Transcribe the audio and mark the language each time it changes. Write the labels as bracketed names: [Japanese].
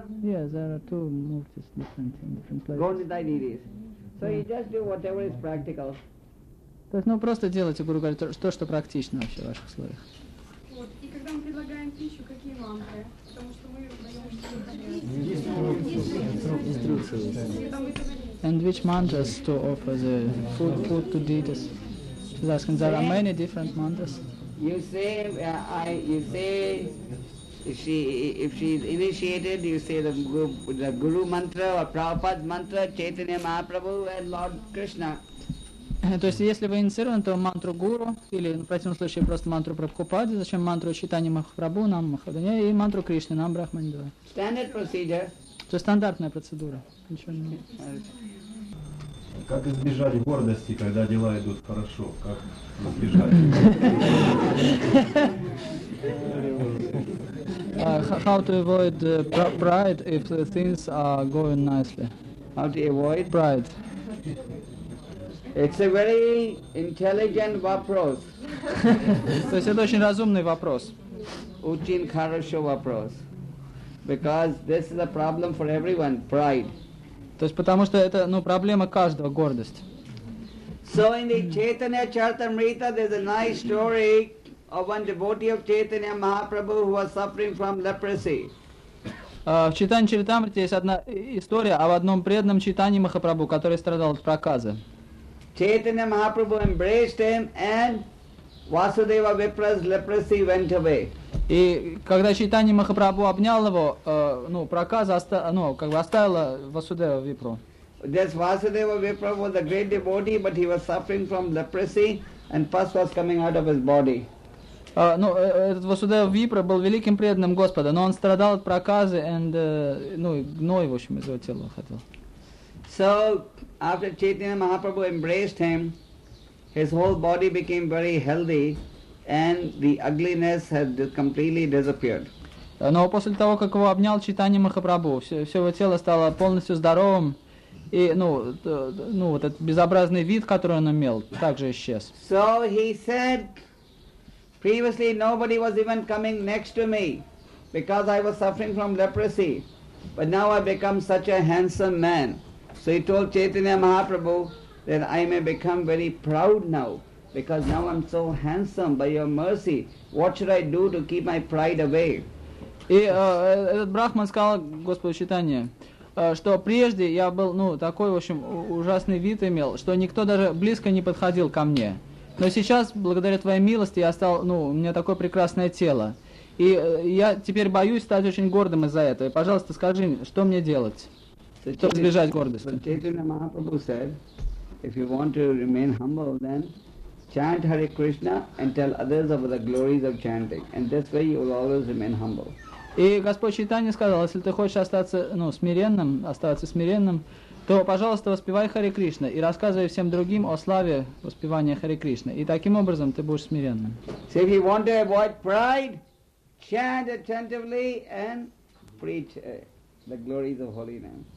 [English] Yes, there are two murtis different in different places. Go to the deities. So you just do whatever is practical. [Russian] То есть, ну, просто делайте, Гуру говорит, то, что практично вообще в ваших словах. Вот, и когда мы предлагаем пищу, какие мантры? Потому что мы даем еду. [English] And which mantras to offer the food to deities? She's asking, there are many different mantras. You say, if she is initiated, you say the Guru mantra or Prabhupada mantra, Chaitanya Mahaprabhu and Lord Krishna. То есть, если вы инициированы, то мантру Гуру, или в противном случае просто мантру Прабхупады, зачем мантру Читани Махапрабху, нам Махадане, и мантру Кришны, нам Брахманидва. Standard procedure. [Russian] То есть, стандартная процедура. Ничего не... Как избежать гордости, когда дела идут хорошо? Как избежать? [English] How to avoid pride if things are going nicely? How to avoid? Pride. It's a very intelligent вопрос. [Russian] То есть это очень разумный вопрос. Очень хороший вопрос. [English] Because this is a problem for everyone, pride. [Russian] То есть потому что это, ну, проблема каждого, гордость. [English] So in the Chaitanya Charitamrita there's a nice story of one devotee of Chaitanya Mahaprabhu who was suffering from leprosy. [Russian] В Чайтанья Чаритамрите есть одна история об одном преданном Чайтанье Махапрабху, который страдал от проказы. [English] Chaitanya Mahaprabhu embraced him and Vasudeva Vipra's leprosy went away. [Russian] И когда Чайтанья Махапрабху обнял его, ну, проказа, ну, как бы оставила Васудева Випру. [English] This Vasudeva Vipra was a great devotee, but he was suffering from leprosy and pus was coming out of his body. [Russian] Ну, этот Васудева Випра был великим преданным Господа, но он страдал от проказы and, ну, гной, в общем, из его тела выходил. [English] So, after Chaitanya Mahaprabhu embraced him, his whole body became very healthy and the ugliness had completely disappeared. [Russian] Но после того, как его обнял Чайтанья Махапрабху, все его тело стало полностью здоровым, и, ну, вот этот безобразный вид, который он имел, также исчез. [English] So, he said, previously nobody was even coming next to me because I was suffering from leprosy, but now I've become such a handsome man. So he told Chaitanya Mahaprabhu that I may become very proud now because now I'm so handsome by your mercy. What should I do to keep my pride away? [Russian] И этот брахман сказал Господу Чайтанье, что прежде я был, ну, такой, в общем, ужасный вид имел, что никто даже близко не подходил ко мне. Но сейчас, благодаря твоей милости, я стал, ну, у меня такое прекрасное тело. И я теперь боюсь стать очень гордым из-за этого. И, пожалуйста, скажи, что мне делать? Чтобы избежать гордости. [English] Chaitanya Mahaprabhu said, if you want to remain humble, then chant Hare Krishna and tell others about the glories of chanting. And this way you will always remain humble. [Russian] И Господь Чайтанья сказал, если ты хочешь остаться, ну, смиренным, оставаться смиренным, то, пожалуйста, воспевай Хари Кришна и рассказывай всем другим о славе воспевания Хари Кришны. И таким образом ты будешь смиренным. [English] So if you want to avoid pride, chant attentively and preach the glories of holy name.